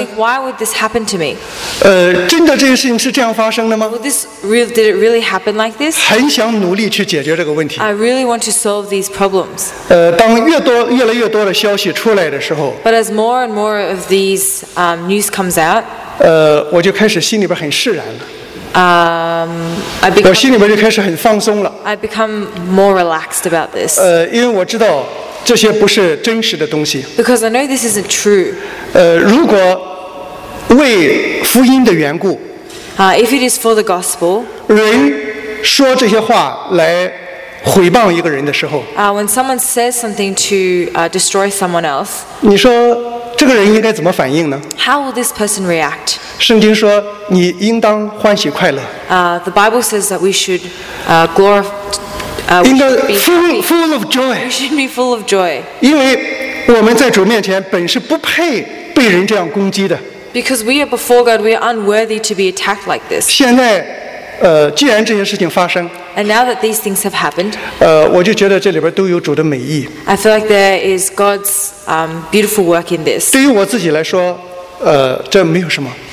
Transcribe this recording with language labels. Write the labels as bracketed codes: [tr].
[en] ？I think why would this happen to me? [zh] 真的这件事情是这样发生的吗 [en] ？Would this really did it really happen like this? [zh] 很想努力去解决这个问题。 [en] I really want to solve these problems. [zh] 当越来越多的消息出来的时候 [en] ，But as more and more of these news comes out, [zh] 我就开始心里边很释然了。我心里边就开始很放松了。 [en] I become more relaxed about this. [zh] 因为我知道这些不是真实的东西。 [en] Because I know this isn't true. [zh] 如果为福音的缘故 [en] if it is for the gospel, [zh] 人说这些话来毁谤一个人的时候 [en] when someone says something to destroy someone else, [zh] 你说这个人应该怎么反应呢 [en] ？How will this person react? [zh] 圣经说，你应当欢喜快乐。 [en] The Bible says that we should glorify. In the full of joy. We should be full of joy. [zh] 因为我们在主面前本是不配被人这样攻击的。 [en] Because we are before God, we are unworthy to be attacked like this. [zh] 现在，既然这些事情发生 [en] ，And now that these things have happened, [zh] 我就觉得这里边都有主的美意。 [en] I feel like there is God's beautiful work in this. [zh] 对于我自己来说，这没有什么。